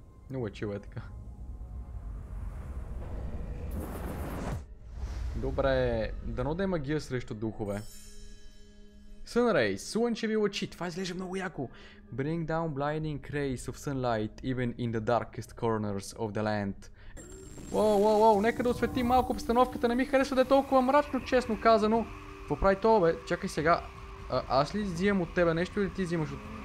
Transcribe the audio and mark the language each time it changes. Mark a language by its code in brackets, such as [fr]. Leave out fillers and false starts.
[bg] Много е чил е така. Добре, дано да е магия срещу духове. Sunray, слънчеви лъчи, това изглежда много яко. [en] Bring down blinding rays of sunlight even in the darkest corners of the land. [bg] Воу, воу, воу, нека да осветим малко обстановката, не ми харесва да е толкова мрачно, честно казано. Какво прави то, бе? Чакай сега. Аз ли взимам от тебе нещо или ти взимаш от...